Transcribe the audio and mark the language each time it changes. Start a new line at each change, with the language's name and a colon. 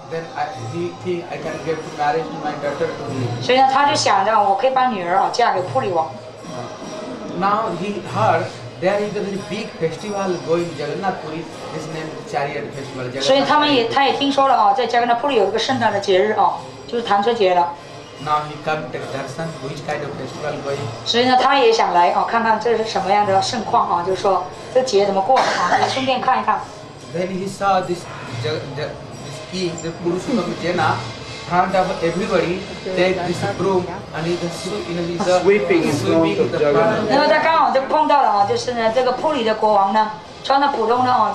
English: Then I think I can get to marry my daughter to him.
Chinese: 所以呢，他就想着我可以把女儿啊嫁给普里王。
English: Now he heard there is a very big festival going Jagannath Puri. This name is chariot festival.
Chinese: 所以他也听说了啊，在加格纳普里有一个盛大的节日啊，就是弹车节了。
English: Now he come to Darshan, which kind of festival going?
Chinese: 所以呢，他也想来啊，看看这是什么样的盛况啊，就是说这节怎么过啊，顺便看一看。
English: Then he saw this king, the Purushottam Jena, front of everybody, take this broom and he's sweeping in front of Jagannath.